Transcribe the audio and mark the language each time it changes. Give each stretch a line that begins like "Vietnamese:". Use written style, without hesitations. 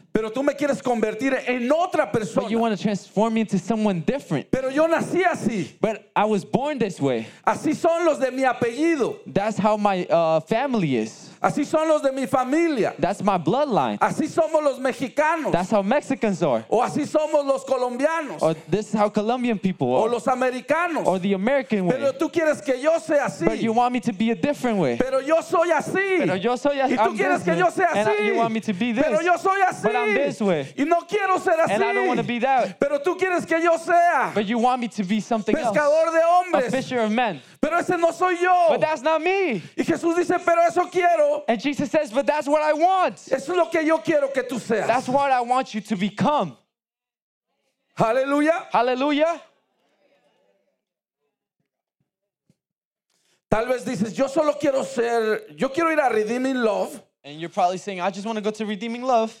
Spanish: Pero tú me quieres convertir en otra persona.
English: But you want to transform me into someone different.
Spanish: Pero yo nací así.
English: But I was born this way.
Spanish: Así son los de mi apellido.
English: That's how my family is.
Spanish: Así son los de mi familia.
English: That's my bloodline.
Spanish: Así somos los mexicanos.
English: That's how Mexicans are.
Spanish: O así somos los colombianos.
English: Or this is how Colombian people are.
Spanish: O los americanos.
English: Or the American way.
Spanish: Pero tú quieres que yo sea así.
English: But you want me to be a different way.
Spanish: Pero yo soy así. Pero yo soy así. Y tú quieres que yo sea así.
English: And you want me to be this.
Spanish: Pero yo soy así.
English: But I'm this way.
Spanish: Y no quiero ser así.
English: And I don't want to be that.
Spanish: Pero tú quieres que yo sea.
English: But you want me to be something
Spanish: pescador
English: else.
Spanish: De hombres.
English: A fisher of men.
Spanish: Pero ese no soy yo.
English: But that's not me.
Spanish: Y Jesús dice, pero eso quiero.
English: And Jesus says, but that's what I want.
Spanish: Eso es lo que yo quiero que tú seas.
English: That's what I want you to become.
Spanish: Hallelujah.
English: Hallelujah.
Spanish: Tal vez dices, yo solo quiero ser, yo quiero ir a Redeeming Love.
English: And you're probably saying, I just want to go to Redeeming Love.